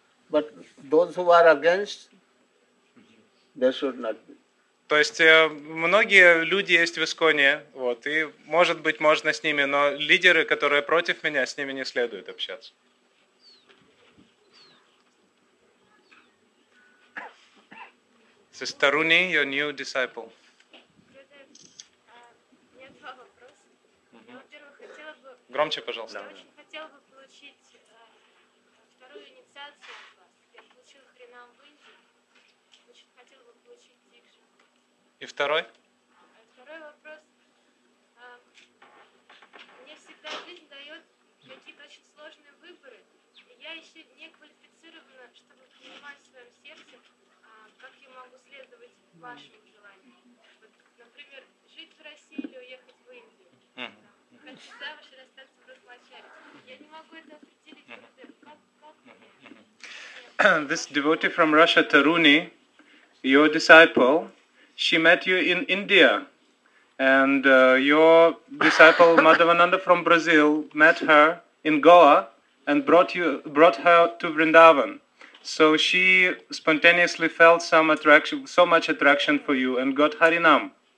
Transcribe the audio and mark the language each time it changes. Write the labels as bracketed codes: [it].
[en] But those who are against, they should not be. [ru] То есть многие люди есть в Исконе, вот, и может быть можно с ними, но лидеры, которые против меня, с ними не следует общаться. [en] Sister Runi, your new disciple. [ru] Я два вопроса. Во-первых, хотела бы... Громче, пожалуйста. Я очень хотела бы получить вторую инициацию от вас. Я получила хренам в Индии. Очень хотела бы получить дикшу. И второй? Второй вопрос. Мне всегда жизнь дает какие-то очень сложные выборы. И я еще не квалифицирована, чтобы понимать в своем сердце, как я могу следовать вашим желаниям? Вот, например, жить в России или уехать в Индию? Хочу завтра остаться в Рахмачаре. Я не могу это определить. мне? [en] This devotee from Russia, Taruni, your disciple, she met you in India. And your disciple, Madhavananda from Brazil, met her in Goa and brought her to Vrindavan. So she spontaneously felt some attraction, so much attraction for you, and got Harinam.